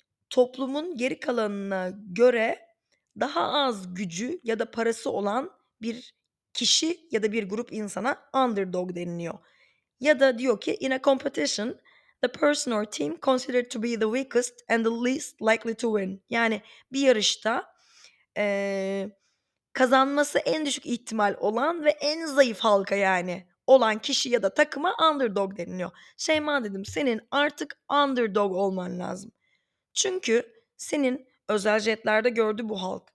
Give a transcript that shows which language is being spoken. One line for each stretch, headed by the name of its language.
Turkish: Toplumun geri kalanına göre daha az gücü ya da parası olan bir kişi ya da bir grup insana underdog deniliyor. Ya da diyor ki,
English: in a competition, the person or team considered to be the weakest and the least likely to win.
Turkish: Yani bir yarışta kazanması en düşük ihtimal olan ve en zayıf halka yani olan kişi ya da takıma underdog deniliyor. Şeyma dedim, senin artık underdog olman lazım. Çünkü senin özel jetlerde gördüğü bu halk,